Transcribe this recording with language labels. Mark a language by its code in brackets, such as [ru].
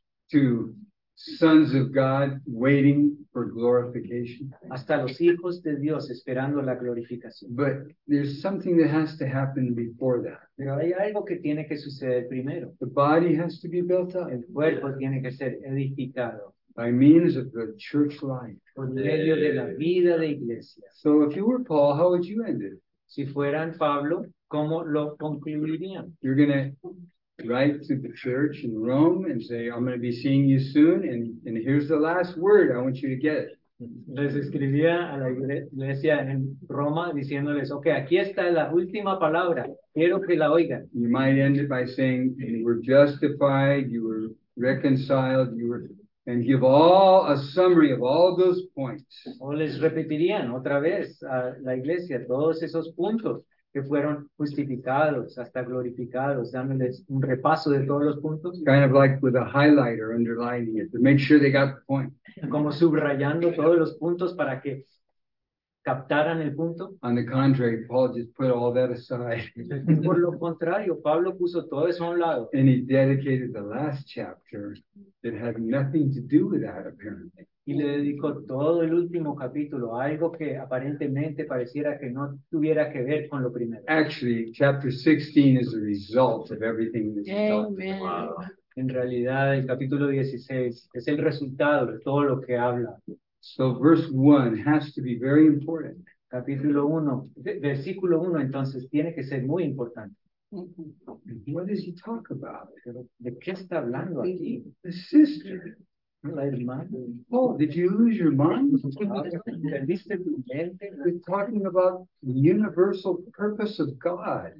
[en] To sons of God waiting for glorification. [es] Hasta los hijos de Dios esperando la glorificación. [en] But there's something that has to happen before that. [es] Pero hay algo que tiene que suceder primero. [en] The body has to be built up. [es] El cuerpo tiene que ser edificado. [en] By means of the church life. [es] Por medio de la vida de iglesia. [en] So if you were Paul, how would you end it? [es] Si fueran Pablo, ¿cómo lo concluirían? [en] You're going to write to the church in Rome and say, I'm going to be seeing you soon, and here's the last word, I want you to get it. [es] Les escribía a la iglesia en Roma diciéndoles, ok, aquí está la última palabra, quiero que la oigan. [en] You might end it by saying, you were justified, you were reconciled, you were... And give all a summary of all those points. [es] O les repetirían otra vez a la iglesia todos esos puntos que fueron justificados hasta glorificados, dándoles un repaso de todos los puntos. [en] Kind of like with a highlighter underlining it to make sure they got the point. [es] Como subrayando todos los puntos para que captaran el punto. [en] On the contrary, Paul just put all that aside. [es] Por lo contrario, Pablo puso todo eso a un lado. [en] And he dedicated the last chapter that had nothing to do with that, apparently. [es] Y le dedicó todo el último capítulo a algo que aparentemente pareciera que no tuviera que ver con lo primero. [en] Actually, chapter 16 is the result of everything that's Amen. Talked about. Wow. [es] En realidad, el capítulo 16 es el resultado de todo lo que habla. [en] So verse 1 has to be very important. [es] Capítulo 1, versículo 1, entonces tiene que ser muy importante. [en] What does he talk about? [es] ¿De qué está hablando aquí? [en] The sister. [es] La hermana. [en] Oh, did you lose your mind? [es] ¿Perdiste tu mente? [en] We're talking about the universal purpose of God.